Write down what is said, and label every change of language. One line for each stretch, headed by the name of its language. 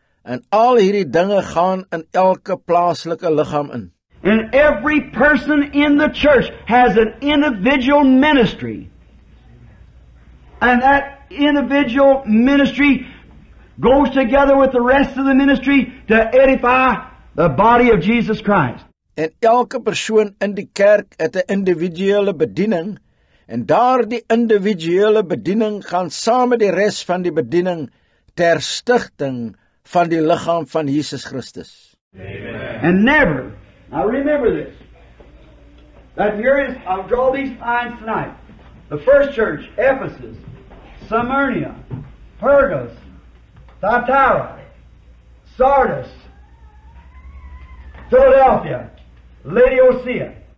Afrikaans: En al hierdie dinge gaan in elke plaaslike liggaam in.
English: And every person in the church has an individual ministry. And that individual ministry goes together with the rest of the ministry to edify the body of Jesus Christ.
Afrikaans: En elke persoon in die kerk het 'n individuele bediening, en daardie individuele bediening gaan saam met die res van die bediening ter stigting van die liggaam van Jesus Christus. Amen.
English: And never, now remember this, that here is, I'll draw these lines tonight. The first church, Ephesus, Smyrna, Pergamos, Thyatira, Sardis, Philadelphia, Laodicea.